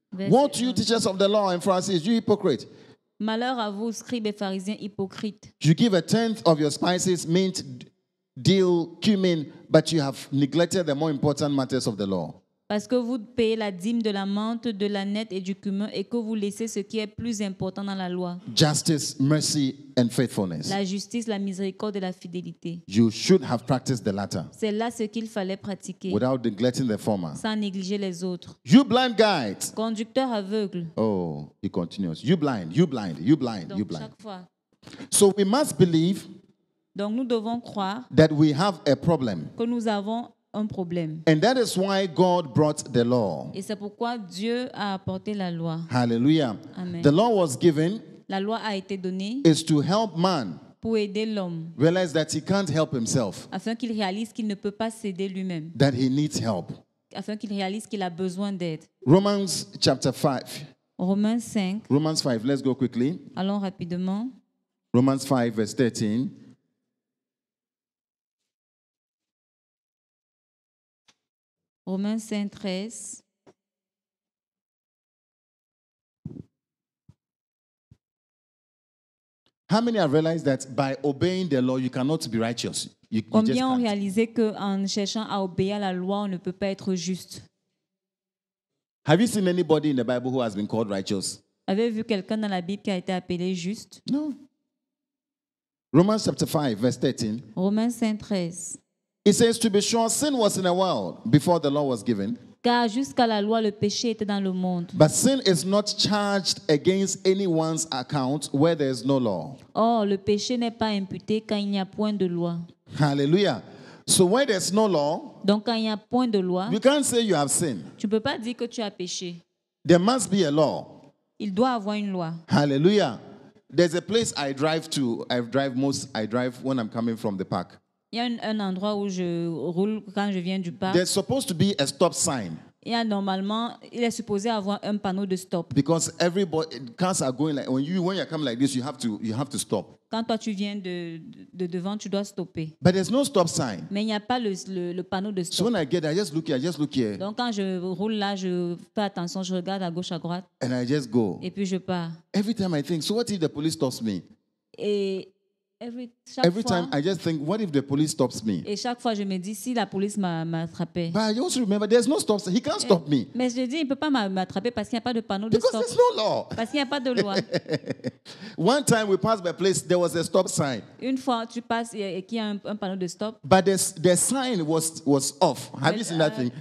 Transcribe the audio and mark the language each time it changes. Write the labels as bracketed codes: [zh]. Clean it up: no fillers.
[en] Won't you, teachers of the law and Pharisees, you hypocrite? [fr] Malheur à vous, scribes et pharisiens hypocrites. [en] You give a tenth of your spices, mint, dill, cumin, but you have neglected the more important matters of the law. [fr] Parce que vous payez la dîme de la menthe, de la nette et du cumin, et que vous laissez ce qui est plus important dans la loi. [en] Justice, mercy, and faithfulness. [fr] La justice, la miséricorde et la fidélité. [en] You should have practiced the latter. [fr] C'est là ce qu'il fallait pratiquer. [en] Without neglecting the former. [fr] Sans négliger les autres. [en] You blind guides. [fr] Conducteur aveugle. [en] Oh, he continues. You blind, you blind, you blind, [fr] donc, [en] you blind. [fr] Chaque fois. [en] So we must believe. [fr] Donc nous devons croire. [en] That we have a problem. [fr] Que nous avons un problème. [en] And that is why God brought the law. [fr] Et c'est pourquoi Dieu a apporté la loi. [en] Hallelujah. Amen. The law was given. [fr] La loi a été donnée. [en] Is to help man. [fr] Pour aider l'homme. [en] Realize that he can't help himself. [fr] Afin qu'il réalise qu'il ne peut pas s'aider lui-même. [en] That he needs help. [fr] Afin qu'il réalise qu'il a besoin d'aide. [en] Romans chapter 5. [fr] Romains 5. [en] Romans 5. Let's go quickly. [fr] Allons rapidement. [en] Romans 5 verse 13. [fr] Romains 5, 13. [en] How many have realized that by obeying the law, you cannot be righteous? [fr] Combien ont réalisé qu'en cherchant à obéir à la loi, on ne peut pas être juste? [en] Have you seen anybody in the Bible who has been called righteous? [fr] Avez-vous vu quelqu'un dans la Bible qui a été appelé juste? [en] No. Romans chapter 5, verse 13. [fr] Romains 5, 13. [en] It says, to be sure, sin was in the world before the law was given. [fr] Car jusqu'à la loi, le péché était dans le monde. [en] But sin is not charged against anyone's account where there is no law. [fr] Or, le péché n'est pas imputé quand il n'y a point de loi. [en] Hallelujah. So when there's no law, [fr] donc quand il y a point de loi, [en] you can't say you have sinned. [fr] Tu peux pas dire que tu as péché. [en] There must be a law. [fr] Il doit avoir une loi. [en] Hallelujah. There's a place I drive to. I drive when I'm coming from the park. [fr] Il y a un endroit où je roule quand je viens du parc. [en] There's supposed to be a stop sign. [fr] Il y a normalement, il est supposé avoir un panneau de stop. [en] Because everybody cars are going like when you come like this, you have to stop. [fr] Quand toi tu viens de devant, tu dois stopper. [en] But there's no stop sign. [fr] Mais il n'y a pas le panneau de stop. [en] So when I get there, I just look here. [fr] Donc quand je roule là, je fais attention, je regarde à gauche à droite. [en] And I just go. [fr] Et puis je pars. [en] Every time I think, so what if the police stops me? Every time I just think, what if the police stops me? [fr] Et chaque fois je me dis si la police m'attrape. [en] But I also remember there's no stop sign. He can't stop me. [fr] Mais je dis il peut pas m'attraper parce qu'il y a pas de panneau de [en] stop. Because there's no law. [fr] Parce qu'il y a pas de loi. [en] One time we passed by a place, there was a stop sign. [fr] Une fois tu passes et qu'il y a un panneau de stop. [en] But the sign was off. Have you seen that thing?